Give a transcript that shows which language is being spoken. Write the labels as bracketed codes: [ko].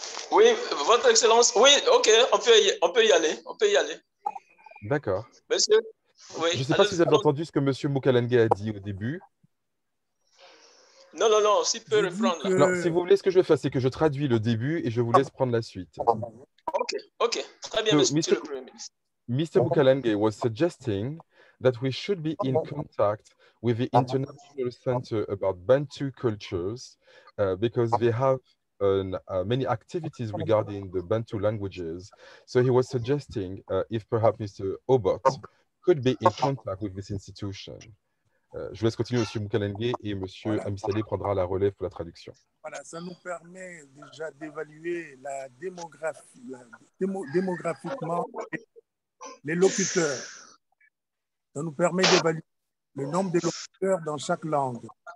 [fr] Oui, votre excellence. Oui, ok, on peut y aller. D'accord. Monsieur, oui. Je ne sais pas si vous avez entendu ce que M. Mukalenge a dit au début. Non, non, non, s'il peut reprendre. Non, si vous voulez, ce que je vais faire, c'est que je traduis le début et je vous laisse prendre la suite. OK, OK. Très bien, monsieur le Premier ministre. [en] Mr. Mukalenge was suggesting that we should be in contact with the International Center about Bantu Cultures because they have many activities regarding the Bantu languages. So he was suggesting if perhaps Mr. Obot could be in contact with this institution. [fr] Je laisse continuer M. Mukalenge et M. Voilà. Amissalé prendra la relève pour la traduction. Voilà, ça nous permet déjà d'évaluer la démographie, démographiquement les locuteurs. Ça nous permet d'évaluer le nombre de locuteurs dans chaque langue.